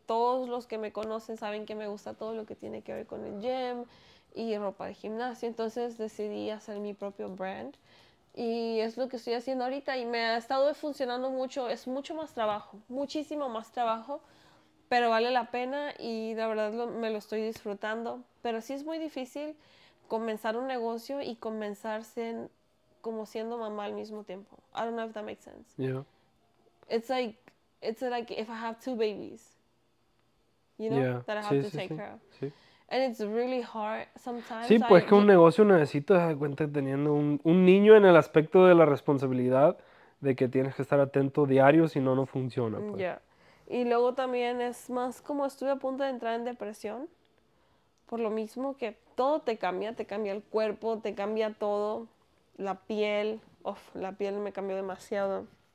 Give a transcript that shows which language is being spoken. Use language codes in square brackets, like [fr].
[es] Todos los que me conocen saben que me gusta todo lo que tiene que ver con el gym y ropa de gimnasio, entonces decidí hacer mi propio brand y es lo que estoy haciendo ahorita y me ha estado funcionando mucho. Es mucho más trabajo, muchísimo más trabajo, pero vale la pena y la verdad me lo estoy disfrutando. Pero sí es muy difícil comenzar un negocio y comenzarse como siendo mamá al mismo tiempo. [en] I don't know if that makes sense. Yeah. It's like if I have two babies, you know, yeah, that I have [es] sí, [en] to [es] sí, [en] take [es] sí. [en] care of. [es] Sí. [en] And it's really hard sometimes. [es] Sí, pues que un negocio necesita dar cuenta teniendo un niño en el aspecto de la responsabilidad de que tienes que estar atento diario, si no, no funciona. Pues. [en] Yeah. [es] Y luego también es más como estuve a punto de entrar en depresión, por lo mismo que todo te cambia el cuerpo, te cambia todo, la piel, la piel me cambió demasiado.